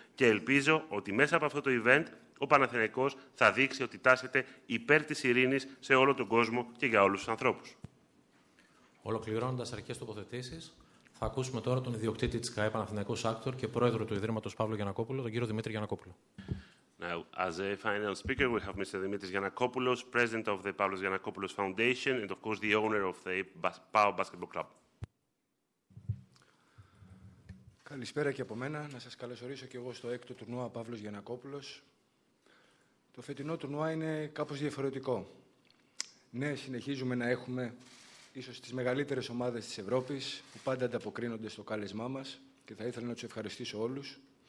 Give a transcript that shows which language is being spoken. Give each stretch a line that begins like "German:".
Greek: Και ελπίζω ότι μέσα από αυτό το event ο Παναθηναϊκός θα δείξει ότι τάσεται υπέρ της ειρήνης σε όλο τον κόσμο και για όλους τους ανθρώπους. Ολοκληρώνοντας αρχές τοποθετήσεις, θα ακούσουμε τώρα τον ιδιοκτήτη της ΚΑΕ Παναθηναϊκός Άκτορ και πρόεδρο του Ιδρύματος Παύλο Γιαννακόπουλο, τον κύριο Δημήτρη Γιαννακόπουλο.
English: Now, as a final speaker, we have Mr. Dimitris Giannakopoulos, president of the Pavlos Giannakopoulos Foundation, and of course the owner of the Power Basketball Club.
Greek: Καλησπέρα και από μένα. Να σας καλωσορίσω και εγώ στο έκτο τουρνουά Παύλος Γιαννακόπουλος. Το φετινό τουρνουά είναι κάπως διαφορετικό. Ναι, συνεχίζουμε να έχουμε ίσως τις μεγαλύτερες ομάδες της Ευρώπης, που πάντα ανταποκρίνονται στο κάλεσμά μας και θα ήθελα να τους ευχαριστήσω όλους.